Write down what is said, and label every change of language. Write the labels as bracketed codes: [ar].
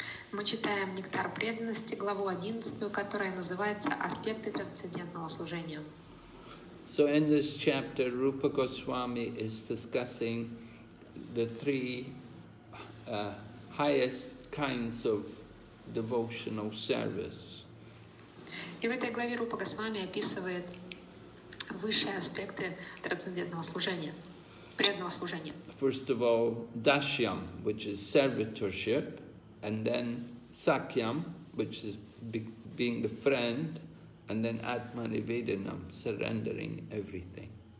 [ru] Мы читаем «Нектар преданности», главу 11, которая называется «Аспекты трансцендентного служения». [en] So in this chapter, Rupa Goswami is discussing the three highest kinds of devotional service. [ru] И в этой главе Рупа Госвами описывает высшие аспекты трансцендентного служения, преданного служения. [en] First of all, dasyam, which is servitorship, and then sakyam, which is being the friend, and then Atmanivedanam, surrendering everything.